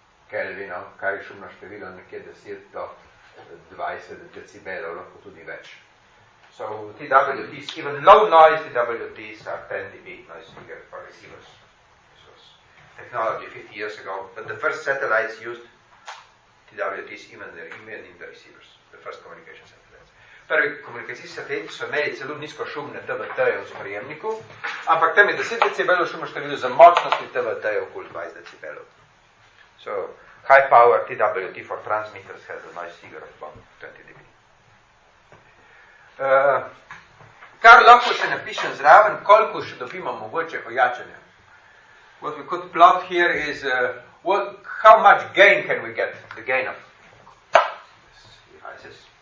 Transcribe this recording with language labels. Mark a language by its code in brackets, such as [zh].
[sl] Kelvino, kar je šumno število nekje 10 do 20 decibelov, lahko tudi več. [en] So, TWTs, even low noise TWTs are 10 dB noise figure for receivers. This was technology 50 years ago, but the first satellites used TWTs even in the receivers, the first communication satellites. [sl] Prvi komunikacijski sateliti so imeli celo nizko šumne TWT-je v sprejemniku, ampak tam je 10 decibelov šumno število za močnosti TWT-je okoli 20 decibelov. [en] So, high power TWT for transmitters has a nice figure of 20 dB. [sl] Kar lahko še napišem zraven, koliko še dobimo mogoče ojačanja. [en] What we could plot here is how much gain can we get, the gain of devices.